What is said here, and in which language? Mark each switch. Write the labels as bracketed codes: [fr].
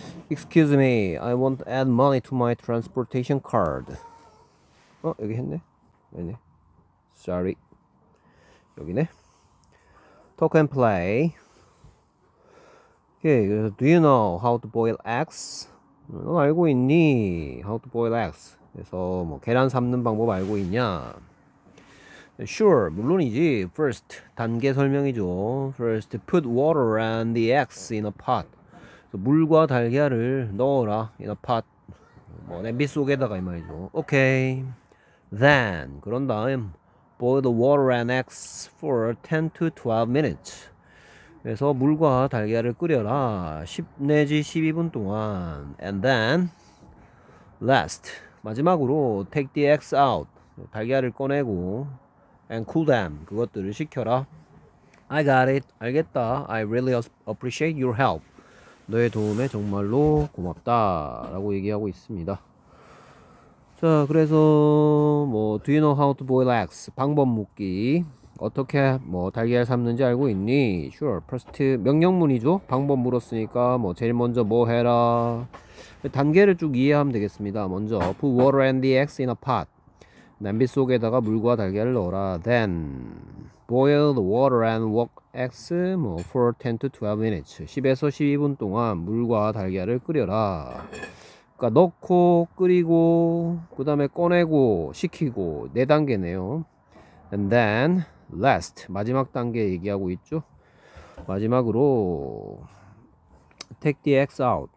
[en] Excuse me, I want to add money to my transportation card. [ko] 어, 여기 했네. 네네. [en] Sorry. [ko] 여기네. [en] Talk and play. [ko] 오케이, 그래서 [en] Do you know how to boil eggs? [ko] 너 알고 있니? [en] How to boil eggs? [ko] 그래서 뭐 계란 삶는 방법 알고 있냐? [en] Sure, [ko] 물론이지. First, 단계 설명이죠. [en] First, put water and the eggs in a pot. [ko] 물과 달걀을 넣어라. [en] In a pot. [ko] 뭐 냄비 속에다가 이 말이죠. [en] Okay. Then, [ko] 그런 다음, [en] boil the water and eggs for 10 to 12 minutes. [ko] 그래서 물과 달걀을 끓여라. 10 내지 12분 동안. [en] And then, last, [ko] 마지막으로 [en] take the eggs out. [ko] 달걀을 꺼내고. [en] And cool them. [ko] 그것들을 식혀라. [en] I got it. [ko] 알겠다. [en] I really appreciate your help. [ko] 너의 도움에 정말로 고맙다라고 얘기하고 있습니다. 자, 그래서 뭐 [en] Do you know how to boil eggs? [ko] 방법 묻기. 어떻게 뭐 달걀 삶는지 알고 있니? [en] Sure. First [ko] 명령문이죠. 방법 물었으니까 뭐 제일 먼저 뭐 해라. 단계를 쭉 이해하면 되겠습니다. 먼저 [en] put water and the eggs in a pot. [ko] 냄비 속에다가 물과 달걀을 넣어라. [en] Then, boil the water and wok eggs 뭐, for 10 to 12 minutes. [ko] 10에서 12분 동안 물과 달걀을 끓여라. 그러니까 넣고, 끓이고, 그 다음에 꺼내고, 식히고, 네 단계네요. [en] And then, last, [ko] 마지막 단계 얘기하고 있죠? 마지막으로, [en] take the eggs out.